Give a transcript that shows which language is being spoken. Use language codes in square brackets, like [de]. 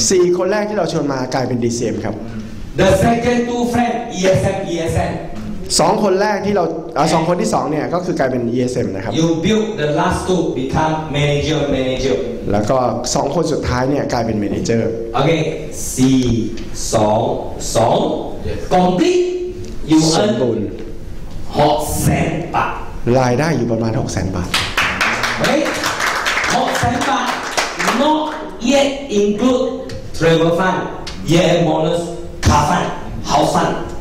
[th] สี่คนแรกที่เราชวนมากลายเป็น DCM ครับ [en] the second two friend ESM ESM [th] สองคนแรกที่เราสองคนที่สองเนี่ยก็คือกลายเป็น ESM นะครับ [en] You build the last two become manager manager [th] แล้วก็สองคนสุดท้ายเนี่ยกลายเป็น manager [en] Okay 4 2 2 complete you earn 600,000 บาท [th] รายได้อยู่ประมาณ 600,000 บาท [en] Okay 600,000 บาท not yet include travel fund year bonus car fund house fund